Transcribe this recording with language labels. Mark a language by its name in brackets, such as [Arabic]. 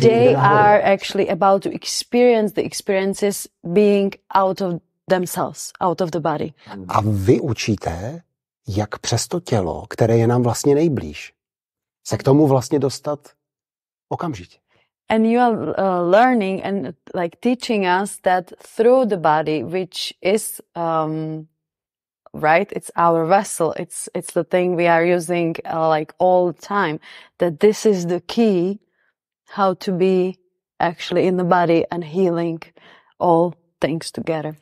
[English] they are actually about to experience the experiences being out of themselves, out of the body. [Czech] A vy učíte, jak přes to tělo, které je nám vlastně nejblíž, se k tomu vlastně dostat okamžitě. [English] And you are learning and like teaching us that through the body, which is right, it's our vessel, it's the thing we are using like all the time, that this is the key how to be actually in the body and healing all things together.